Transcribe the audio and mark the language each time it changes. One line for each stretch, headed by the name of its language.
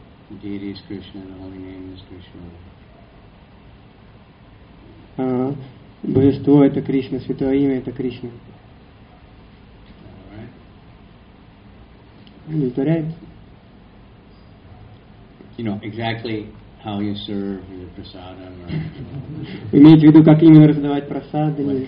English: Deity is Krishna, the holy name is Krishna.
Russian: Божество — это Кришна, святое имя — это Кришна.
English: Alright. You know exactly how you serve with the prasadam.
Russian: Имеете в виду, как именно раздавать прасады?